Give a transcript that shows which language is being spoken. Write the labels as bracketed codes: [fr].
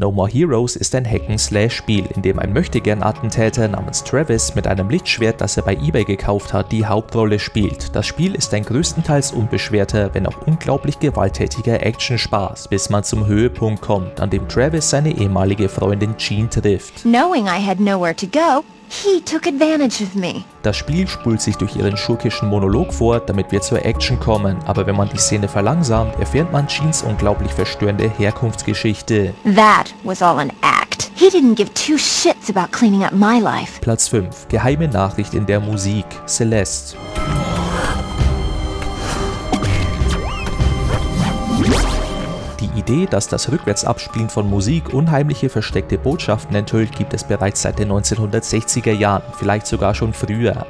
[de] No More Heroes ist ein Hack-and-Slash-Spiel, in dem ein Möchtegern-Attentäter namens Travis mit einem Lichtschwert, das er bei eBay gekauft hat, die Hauptrolle spielt. Das Spiel ist ein größtenteils unbeschwerter, wenn auch unglaublich gewalttätiger Action-Spaß, bis man zum Höhepunkt kommt, an dem Travis seine ehemalige Freundin Jean trifft. [en] Knowing I had nowhere to go, he took advantage of me. [de] Das Spiel spult sich durch ihren schurkischen Monolog vor, damit wir zur Action kommen, aber wenn man die Szene verlangsamt, erfährt man Jeans unglaublich verstörende Herkunftsgeschichte. [en] That was all an act. He didn't give two shits about cleaning up my life. [de] Platz 5. Geheime Nachricht in der Musik. Celeste. Die Idee, dass das Rückwärtsabspielen von Musik unheimliche versteckte Botschaften enthüllt, gibt es bereits seit den 1960er Jahren, vielleicht sogar schon früher.